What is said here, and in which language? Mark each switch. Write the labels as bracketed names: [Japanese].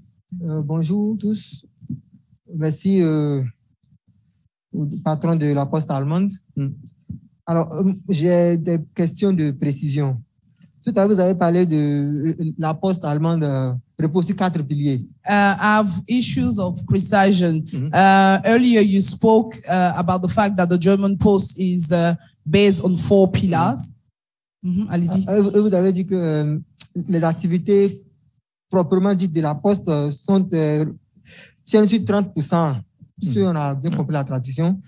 [French] Bonjour tous. Merci au patron de la Poste allemande. Alors, j'ai des questions de précision. Tout à l'heure, vous avez parlé de la Poste allemande repose sur quatre piliers. [English] I have issues of precision. Mm-hmm. Earlier, you spoke about the fact that the German Post is based on four pillars. [French] Mm-hmm. Allez-y. Vous avez dit que les activités proprement dites de la Poste tiennent sur 30%, si on a bien compris la traduction.